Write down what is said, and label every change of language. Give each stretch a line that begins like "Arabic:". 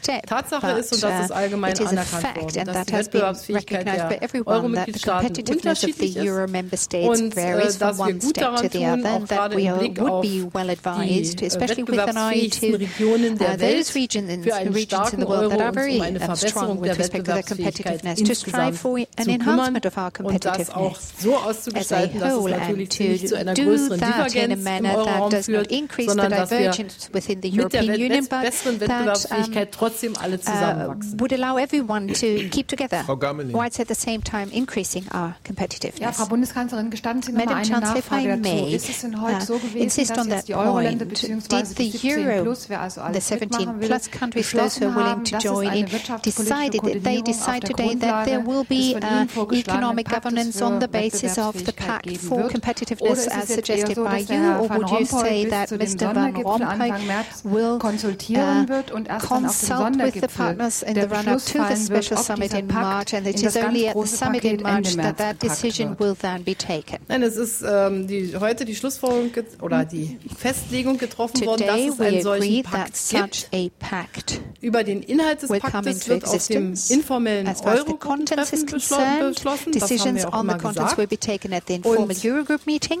German: Tatsache ist, und das ist allgemein anerkannt worden, dass die Wettbewerbsfähigkeit der Euro-Mitgliedstaaten unterschiedlich ist und dass wir gut daran tun, auch gerade im Blick auf die wettbewerbsfähigsten Regionen der Welt für einen starken Euro und um eine Verbesserung der Wettbewerbsfähigkeit insgesamt zu kümmern.
English: Of our
German: competitiveness und das auch so auszugestalten, dass es natürlich nicht zu einer größeren Divergenz im Euroraum führt, sondern dass wir mit der besseren Wettbewerbsfähigkeit trotzdem alle zusammenwachsen.
English: Would allow everyone to keep together,
German: Frau Gammeling.
English: While at the same time increasing our competitiveness.
German: Ja, Frau Bundeskanzlerin, gestatten Sie noch eine Nachfrage dazu. Ist es denn heute so gewesen, dass jetzt die Euro-Länder bzw. die 17-Plus-Countries, also alles mitmachen will, beschlossen haben, dass es eine wirtschaftspolitische Koordinierung auf der Grundlage des von Ihnen vorgelegten
English: economic governance on the basis of the pact for competitiveness as suggested by you, or would you say that Mr. Van Rompuy will consult with the partners in the run-up to the special summit in March, and it is only at the summit in March that that decision will then be taken?
German: Nein, es ist heute die Schlussfolgerung oder die Festlegung getroffen worden, dass es einen solchen Pakt gibt. Über den Inhalt des Paktes wird auf dem informellen Euro-Gipfel beschlossen.
English: Decisions on the contents will be taken at the informal Eurogroup meeting.